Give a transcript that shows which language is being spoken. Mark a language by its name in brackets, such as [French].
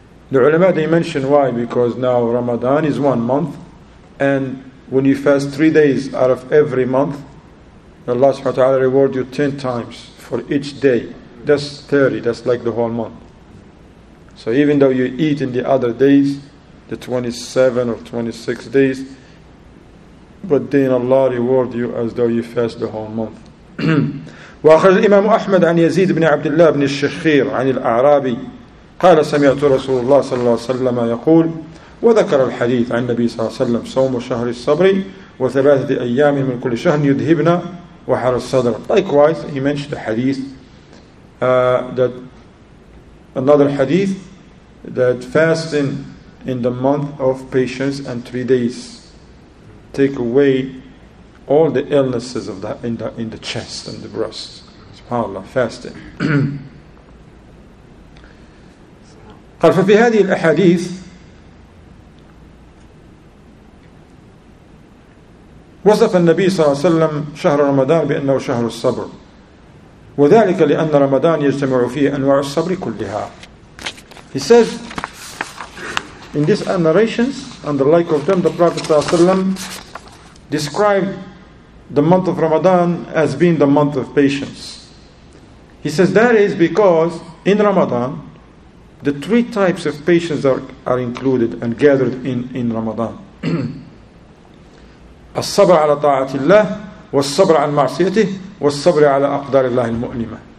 [English] The ulama, they mention why, because now Ramadan is 1 month, and when you fast 3 days out of every month, Allah subhanahu wa ta'ala reward you 10 times for each day. That's 30, that's like the whole month. So even though you eat in the other days, the 27 or 26 days, but then Allah reward you as though you fast the whole month. [Arabic] وأخرج الإمام أحمد عن يزيد بن عبد الله بن الشخير عن الأعرابي قال سمعت رسول الله صلى الله عليه وسلم يقول وذكر الحديث عن النبي صلى الله عليه وسلم صوم شهر الصبر وثلاثة أيام من كل شهر يذهبنا وحر الصدر. [English] Likewise, he mentioned the hadith that another hadith that fasting in the month of patience and 3 days take away all the illnesses of that in the chest and the breast. SubhanAllah, fasting. [Arabic] قال ففي هذه الأحاديث وصف النبي صلى الله عليه وسلم شهر رمضان بأنه شهر الصبر وذلك لأن رمضان يجتمع فيه أنواع الصبر كلها. [English] He says in these narrations and the like of them, the Prophet [Arabic] صلى الله عليه وسلم [English] described the month of Ramadan as being the month of patience. He says that is because in Ramadan the three types of patience are included and gathered in Ramadan. [Arabic] الصبر على طاعة الله والصبر على معصيته والصبر على أقدار الله المؤلمة.